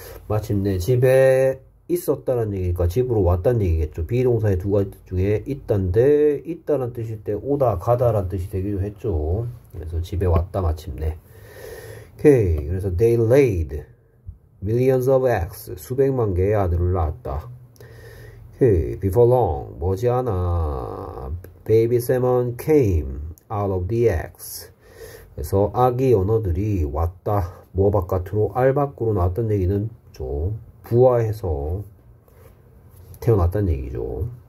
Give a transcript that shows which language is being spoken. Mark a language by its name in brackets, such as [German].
[Korean] 마침내 집에 있었다란 얘기니까 집으로 왔단 얘기겠죠. 비동사의 두 가지 중에 있단데, 있다란 뜻일 때 오다, 가다란 뜻이 되기도 했죠. 그래서 집에 왔다, 마침내. 오케이. 그래서 [English] they laid millions of eggs. [Korean] 수백만 개의 아들을 낳았다. 오케이. [English] Before long, [Korean] 머지않아, [English] baby salmon came out of the eggs. [Korean] 그래서 아기 연어들이 왔다. 뭐 바깥으로, 알 밖으로 나왔던 얘기는 좀 부화해서 태어났단 얘기죠.